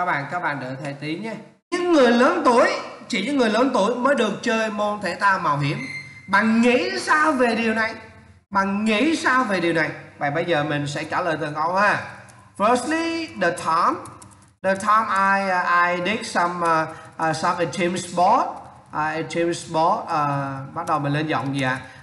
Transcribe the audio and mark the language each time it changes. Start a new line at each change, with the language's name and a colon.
Vietnamese: Các bạn đợi thầy tí nhé. Những người lớn tuổi, chỉ những người lớn tuổi mới được chơi môn thể thao mạo hiểm. Bạn nghĩ sao về điều này? Bạn nghĩ sao về điều này? Vậy bây giờ mình sẽ trả lời từng câu ha.
English: Firstly, the time I did some team sport.
Vietnamese: Team sport, bắt đầu mình lên giọng gì ạ?